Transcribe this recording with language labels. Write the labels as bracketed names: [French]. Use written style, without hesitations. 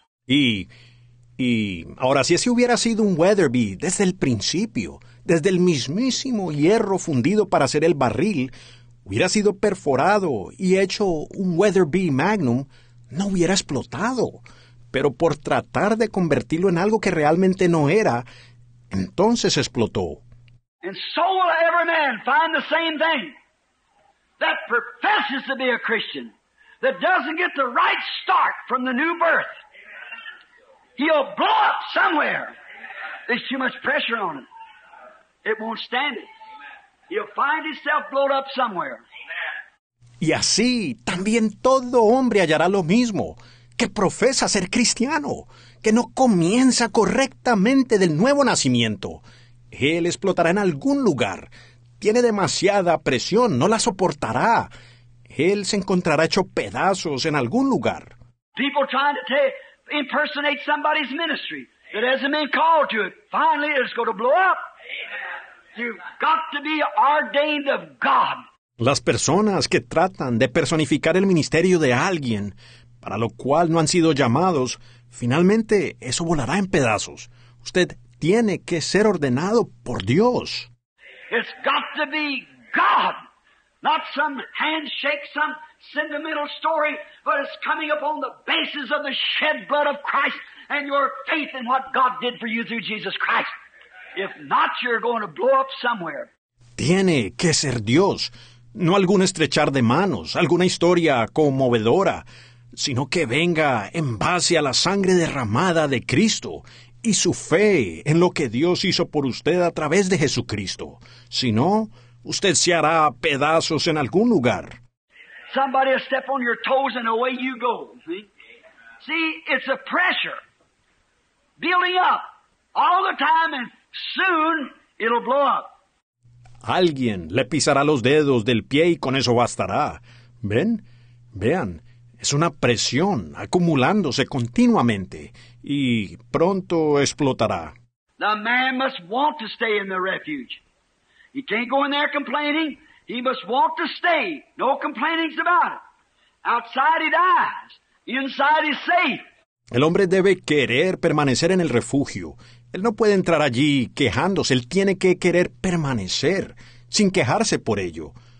[Spanish] Y ahora, si ese hubiera sido un Weatherby desde el principio, desde el mismísimo hierro fundido para hacer el barril, hubiera sido perforado y hecho un Weatherby Magnum, no hubiera explotado. Pero por tratar de convertirlo en algo que realmente no era, entonces explotó. [English] And so will every man find the same thing that professes to be a Christian, that doesn't get the right start from the new birth. He'll blow up somewhere. There's too much pressure on him. It won't stand it. He'll find himself blown up somewhere. [Spanish] Y así, también todo hombre hallará lo mismo, que profesa ser cristiano, que no comienza correctamente del nuevo nacimiento. Él explotará en algún lugar. Tiene demasiada presión, no la soportará. Él se encontrará hecho pedazos en algún lugar. [English] People trying to impersonate somebody's ministry that hasn't been called to it. Finally, it's going to blow up. You've got to be ordained of God. [Spanish] Las personas que tratan de personificar el ministerio de alguien para lo cual no han sido llamados, finalmente eso volará en pedazos. Usted tiene que ser ordenado por Dios. [English] It's got to be God, not some handshake, some sentimental story, but it's coming upon the basis of the shed blood of Christ and your faith in what God did for you through Jesus Christ. If not, you're going to blow up somewhere. [Spanish] Tiene que ser Dios, no algún estrechar de manos, alguna historia conmovedora, sino que venga en base a la sangre derramada de Cristo y su fe en lo que Dios hizo por usted a través de Jesucristo. Si no, usted se hará a pedazos en algún lugar. [English] Somebody will step on your toes and away you go. See, it's a pressure building up all the time, and soon it'll blow up. [Spanish] Alguien le pisará los dedos del pie y con eso bastará. ¿Ven? Vean, es una presión acumulándose continuamente y pronto explotará. [English] The man must want to stay in the refuge. He can't go in there complaining. He must want to stay. No complainings about it. Outside he dies. Inside he's safe. [Spanish] El hombre debe querer permanecer en el refugio. Él no puede entrar allí quejándose. Él tiene que querer permanecer sin quejarse por ello.